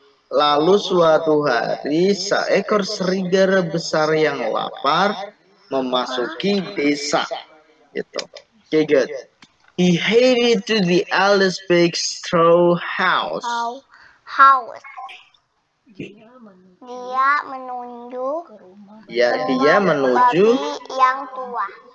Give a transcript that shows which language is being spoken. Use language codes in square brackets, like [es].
[id] Lalu suatu hari seekor serigala besar yang lapar memasuki desa. Gitu. [en] Okay, good. He headed to the eldest pig's straw house. [id] Dia menuju babi yang tua.